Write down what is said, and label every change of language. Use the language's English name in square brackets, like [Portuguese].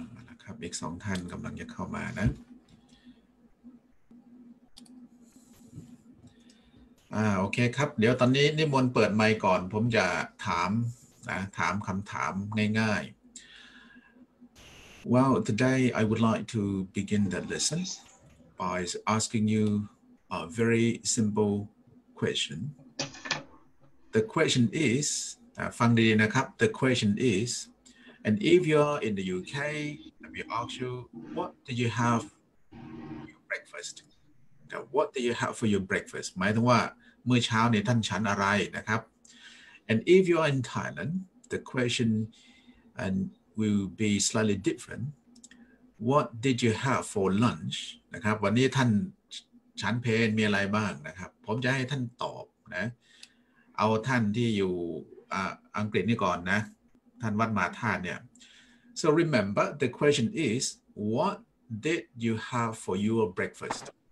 [Thai] นะครับอีก2ท่านกำลังจะเข้ามานะโอเคครับเดี๋ยวตอนนี้นิมนต์เปิดไมค์ก่อนผมจะถามนะถามคำถามง่ายๆ [English] Well, today I would like to begin the lesson by asking you a very simple question. The question is [Thai] ฟังดีนะครับ [English] The question is And if you are in the UK, let me ask you What do you have for your breakfast? Now, what do you have for your breakfast? [Thai] หมายถึงว่าเมื่อเช้าเนี่ยท่านฉันอะไรนะครับ [English] And if you are in Thailand, the question and will be slightly different. What did you have for lunch? [Thai] นะครับวันนี้ท่านฉันเพลมีอะไรบ้างนะครับผมจะให้ท่านตอบนะเอาท่านที่อยู่อังกฤษนี่ก่อนนะท่านวัดมาท่านเนี่ย [English] So remember, the question is, what did you have for your breakfast?